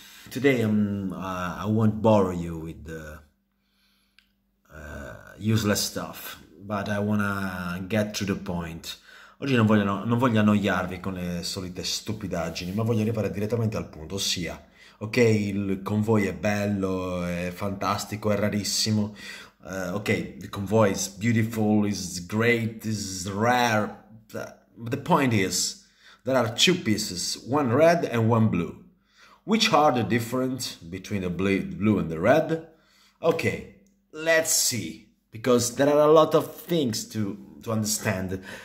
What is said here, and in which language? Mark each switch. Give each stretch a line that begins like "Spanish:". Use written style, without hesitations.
English: Today I won't bore you with the useless stuff, but I wanna get to the point.
Italian: Oggi non voglio annoiarvi con le solite stupidaggini, ma voglio arrivare direttamente al punto, ossia, ok, il convoy è bello, è fantastico, è rarissimo.
English: Ok, the convoy is beautiful, is great, is rare. But the point is, there are two pieces, one red and one blue. Which are the difference between the blue and the red? Okay, let's see, because there are a lot of things to understand.